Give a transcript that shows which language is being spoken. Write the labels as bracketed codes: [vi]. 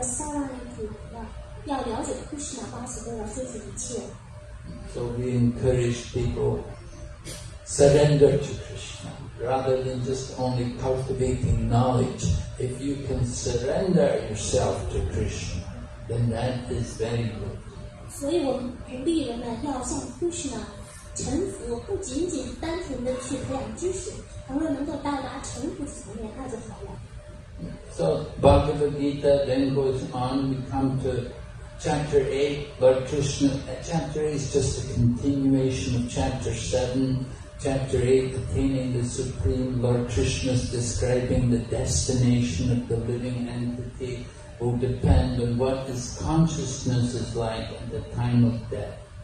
[en] Sarana Krishna, [zh] 要了解Krishna, Vasudeva Krishna, 就是一切。 [en] So we encourage people, surrender to Krishna, rather than just only cultivating knowledge. If you can surrender yourself to Krishna, then that is very good. [zh] 所以我们鼓励人们要向Krishna臣服，不仅仅单纯地去培养知识，而若能够到达臣服层面，那就好了。 [en] So Bhagavad Gita then goes on, we come to chapter 8, Lord Krishna, chapter 8 is just a continuation of chapter 7, chapter 8 attaining the Supreme, Lord Krishna is describing the destination of the living entity will depend on what his consciousness is like at the time of death.